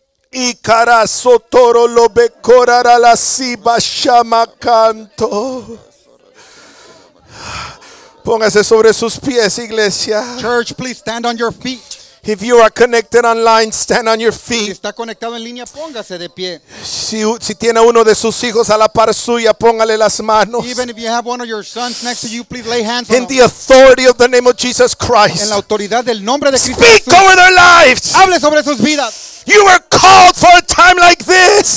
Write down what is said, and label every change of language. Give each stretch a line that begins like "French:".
Spanish: Y cara sotoro lo becorará la siba shama canto. Póngase sobre sus pies, iglesia.
English: Church, please stand on your feet. If you are connected online, stand on your feet.
Spanish: Si está conectado en línea, póngase de pie. Si tiene uno de sus hijos a la par suya, póngale las manos.
English: Even if you have one of your sons next to you, please lay hands in on the authority of the name of Jesus Christ.
Spanish: En la autoridad del nombre de Cristo.
English: Speak
Spanish: Jesús.
English: Over their lives.
Spanish: Hable sobre sus vidas.
English: You were called for a time like this.